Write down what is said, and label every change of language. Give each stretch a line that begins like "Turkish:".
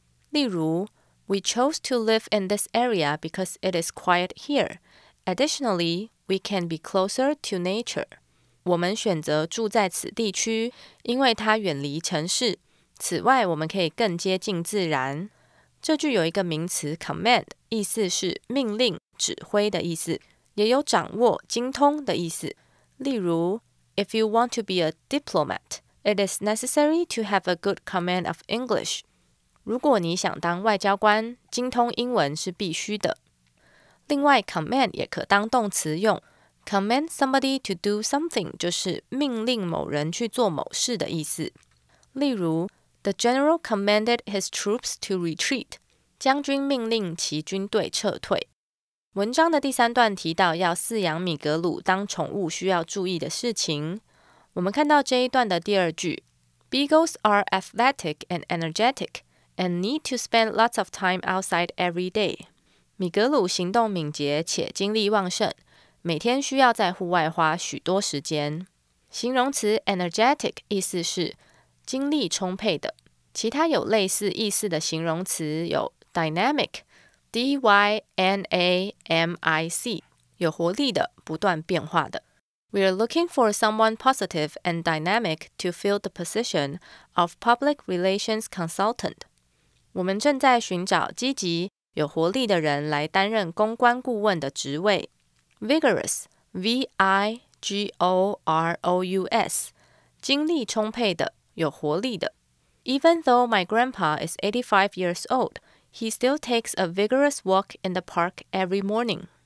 English: 例如, we chose to live in this area because it is quiet here. Additionally, we can be closer to nature.
Chinese: 我们选择住在此地区,因为它远离城市。此外,我们可以更接近自然。这句有一个名词command,意思是命令、指挥的意思。
English: 也有掌握、精通的意思。例如 ,If you want to be a diplomat, it is necessary to have a good command of English.
Chinese: 如果你想当外交官,精通英文是必须的。另外 ,command 也可当动词用。 Command somebody to do something 就是命令某人去做某事的意思。
English: 例如 ,The general commanded his troops to retreat.
Chinese: 将军命令其军队撤退。文章的第三段提到要饲养米格鲁当宠物需要注意的事情。
English: 我们看到这一段的第二句 ,Beagles are athletic and energetic and need to spend lots of time outside every day.
Chinese: 米格鲁行动敏捷且精力旺盛。每天需要在户外花许多时间。形容词 energetic 意思是精力充沛的。其他有类似意思的形容词有 dynamic, D-Y-N-A-M-I-C, 有活力的，不断变化的。
English: We are looking for someone positive and dynamic to fill the position of public relations consultant.
Chinese: 我们正在寻找积极、有活力的人来担任公关顾问的职位。 Vigorous, V-I-G-O-R-O-U-S, 精力充沛的，有活力的。
English: Even though my grandpa is 85 years old, he still takes a vigorous walk in the park every morning.